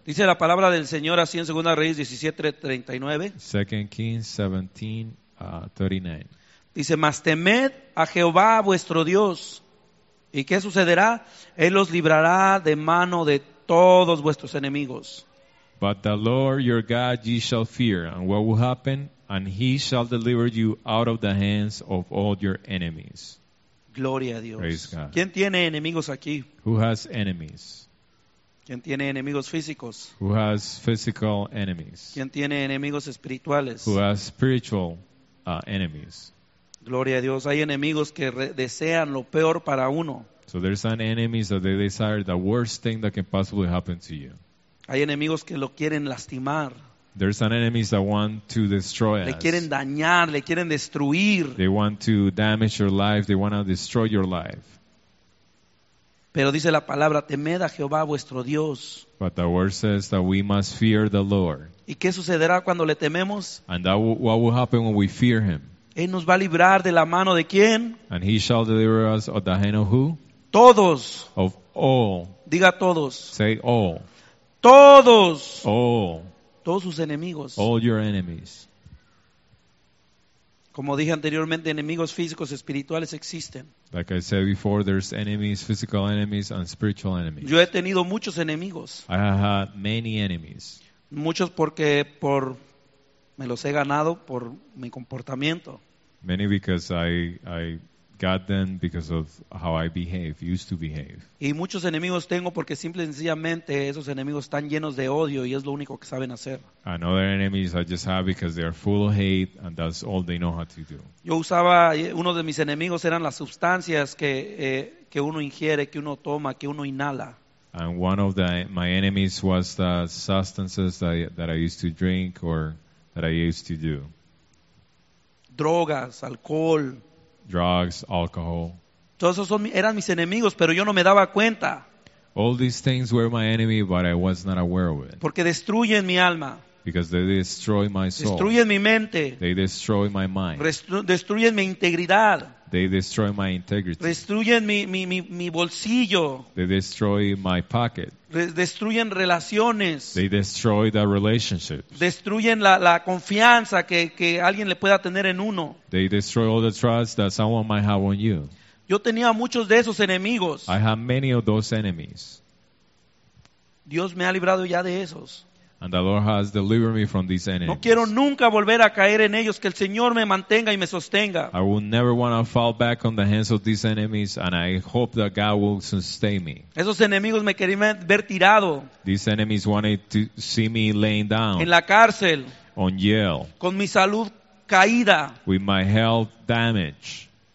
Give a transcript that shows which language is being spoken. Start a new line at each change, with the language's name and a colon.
Spanish: Dice la palabra del Señor así en 2 Reyes 17:39.
English: 2 Kings 17:39.
Spanish: Dice, mas temed a Jehová vuestro Dios. ¿Y qué sucederá? Él os librará de mano de todos vuestros enemigos.
English: But the Lord your God ye shall fear, and what will happen? And He shall deliver you out of the hands of all your enemies.
Spanish: Gloria a Dios.
English: Praise God.
Spanish: ¿Quién tiene enemigos aquí?
English: Who has enemies?
Spanish: ¿Quién tiene enemigos físicos?
English: Who has physical enemies?
Spanish: ¿Quién tiene enemigos espirituales?
English: Who has spiritual enemies?
Spanish: Gloria a Dios. Hay enemigos que desean lo peor para uno.
English: So there's an enemy that they desire the worst thing that can possibly happen to you.
Spanish: Hay enemigos que lo quieren lastimar.
English: There's an enemy that want to destroy us.
Spanish: Le quieren dañar, le quieren destruir.
English: They want to damage your life, they want to destroy your life.
Spanish: Pero dice la palabra, temed a Jehová vuestro Dios.
English: But the word says that we must fear the Lord.
Spanish: ¿Y qué sucederá cuando le tememos?
English: And what will happen when we fear Him?
Spanish: Él nos va a librar de la mano de quién?
English: And He shall deliver us of the hand of who?
Spanish: Todos.
English: Of all.
Spanish: Diga todos.
English: Say all.
Spanish: Todos. Oh. Todos sus enemigos.
English: All your enemies.
Spanish: Como dije anteriormente, enemigos físicos, espirituales existen.
English: Like I said before, there's enemies, physical enemies and spiritual enemies.
Spanish: Yo he tenido muchos enemigos.
English: I have had many enemies.
Spanish: Muchos porque por me los he ganado por mi comportamiento.
English: Many because I God then, because of how I behave, used to behave.
Spanish: Y muchos enemigos tengo porque simple y sencillamente esos enemigos están llenos de odio y es lo único que saben hacer.
English: And other enemies I just have because they are full of hate and that's all they know how to do.
Spanish: Yo usaba, uno de mis enemigos eran las sustancias que uno ingiere, que uno toma, que uno inhala.
English: And one of my enemies was the substances that I used to drink or that I used to do.
Spanish: Drogas, alcohol.
English: Drugs, alcohol.
Spanish: Todos esos eran mis enemigos, pero yo no me daba cuenta.
English: All these things were my enemy, but I was not aware of it.
Spanish: Porque destruyen mi alma.
English: Because they destroy my soul.
Spanish: Destruyen mi mente.
English: They destroy my mind.
Spanish: Destruyen mi integridad.
English: They destroy my integrity.
Spanish: Destruyen mi bolsillo.
English: They destroy my pocket.
Spanish: Destruyen relaciones.
English: They destroy the relationships.
Spanish: Destruyen la confianza que alguien le pueda tener en uno.
English: They destroy all the trust that someone might have on you.
Spanish: Yo tenía muchos de esos enemigos.
English: I have many of those enemies.
Spanish: Dios me ha librado ya de esos.
English: And the Lord has delivered me from these enemies.
Spanish: No quiero nunca volver a caer en ellos, que el Señor me mantenga y me sostenga.
English: I will never want to fall back on the hands of these enemies, and I hope that God will sustain me.
Spanish: Esos enemigos me querían ver tirado.
English: These enemies wanted to see me laying down.
Spanish: En la cárcel.
English: On jail.
Spanish: Con mi salud caída.
English: With my health damaged.